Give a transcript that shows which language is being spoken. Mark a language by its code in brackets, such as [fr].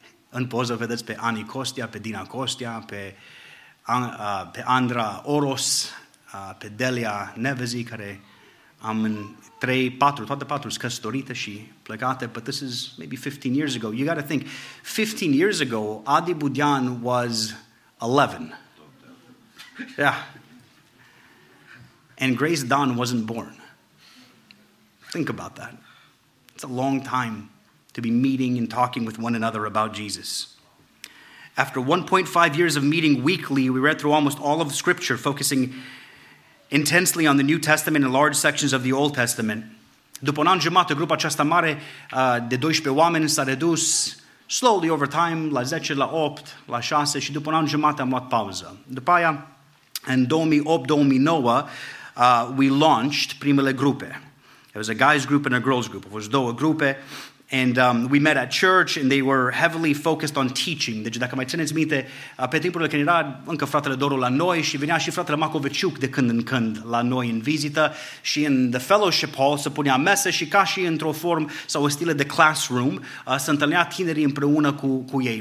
[ro] În poză vedeți pe Ani Costia, pe Dina Costia, pe Andra Oros, pe Delia Nevezi, care am în 3-4, toate 4 sunt căsătorite și plecate, [en] but this is maybe 15 years ago. You got to think, 15 years ago, Adi Budian was 11. Yeah. And Grace Dawn wasn't born. Think about that. It's a long time to be meeting and talking with one another about Jesus. After 1.5 years of meeting weekly, we read through almost all of the Scripture, focusing intensely on the New Testament and large sections of the Old Testament. [ro] După un an jumate, grupa aceasta mare de 12 oameni s-a redus [en] slowly over time, [ro] la 10, la 8, la 6, și după un an jumate am luat pauză. După aia, în 2008-2009, [en] we launched [ro] primele grupe. [en] It was a guys group and a girls group. It was 2 grupe. And we met at church, and they were heavily focused on teaching. [ro] Deci dacă mai țineți minte, pe timpul când era încă fratele Doru la noi și venea și fratele Makoveciuk de când în când la noi în vizită și în [en] the fellowship hall [ro] se punea mese și ca și într-o formă sau o stilă de classroom se întâlnea tinerii împreună cu ei.